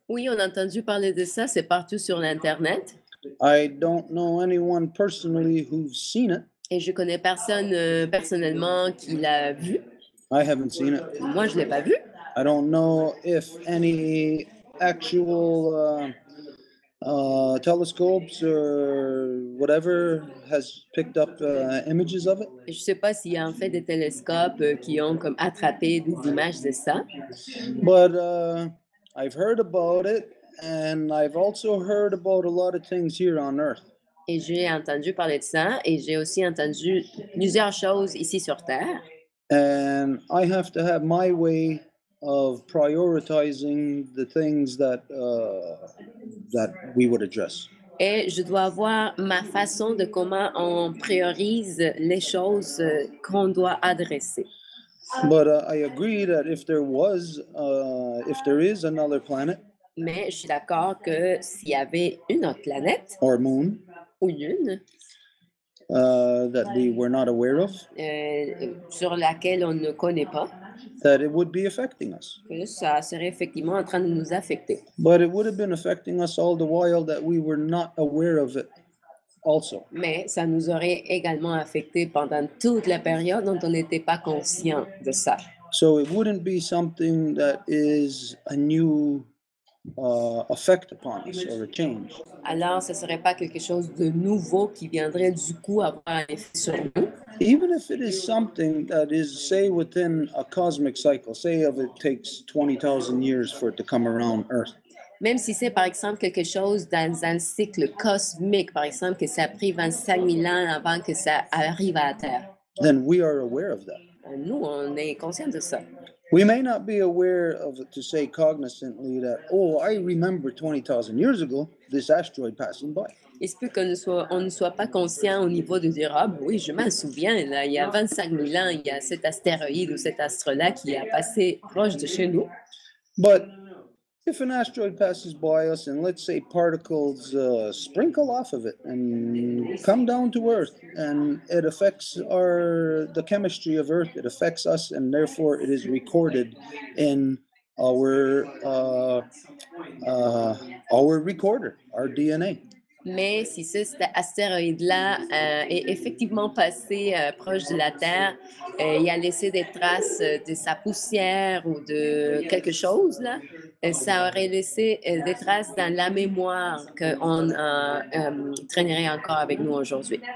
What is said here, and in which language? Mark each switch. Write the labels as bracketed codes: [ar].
[fr] Oui, on a entendu parler de ça, c'est partout sur l'internet. [en] I don't know anyone personally who's seen it. [fr] Et je connais personne personnellement qui l'a vu. [en] I haven't seen it. [fr] Moi, je l'ai pas vu. [en] I don't know if any actual telescopes or whatever has picked up images of it. [fr] Je sais pas s'il y a en fait des télescopes qui ont comme attrapé des images de ça. [en] But I've heard about it, and I've also heard about a lot of things here on Earth. [fr] Et j'ai entendu parler de ça, et j'ai aussi entendu plusieurs choses ici sur Terre. [en] And I have to have my way of prioritizing the things that that we would address. [fr] Et je dois avoir ma façon de comment on priorise les choses qu'on doit adresser. [en] But I agree that if there is another planet. [fr] Mais je suis d'accord que s'il y avait une autre planète. [en] Or moon. [fr] Ou lune. [en] That we were not aware of. [fr] Sur laquelle on ne connaît pas. [en] That it would be affecting us. [fr] Que ça serait effectivement en train de nous affecter. [en] But it would have been affecting us all the while that we were not aware of it also. [fr] Mais ça nous aurait également affecté pendant toute la période dont on n'était pas conscient de ça. [en] So it wouldn't be something that is a new effect upon us or a change. [fr] Alors, ce serait pas quelque chose de nouveau qui viendrait du coup avoir un effet sur nous. [en] Even if it is something that is, say, within a cosmic cycle, say if it takes 20,000 years for it to come around Earth. [fr] Même si c'est, par exemple, quelque chose dans un cycle cosmique, par exemple, que ça a pris 25 000 ans avant que ça arrive à la Terre. [en] Then we are aware of that. [fr] Nous, on est conscients de ça. [en] We may not be aware of it to say cognizantly that, oh, I remember 20,000 years ago, this asteroid passing by. [fr] Il se peut qu'on ne soit pas conscient au niveau de dire, ah, oui, je m'en souviens, là, il y a 25 000 ans, il y a cet astéroïde ou cet astre-là qui a passé proche de chez nous. [en] But if an asteroid passes by us and let's say particles sprinkle off of it and come down to Earth and it affects our the chemistry of Earth, it affects us and therefore it is recorded in our recorder, our DNA. [fr] Mais si cet astéroïde-là est effectivement passé proche de la Terre, il a laissé des traces de sa poussière ou de quelque chose, là, ça aurait laissé des traces dans la mémoire qu'on traînerait encore avec nous aujourd'hui.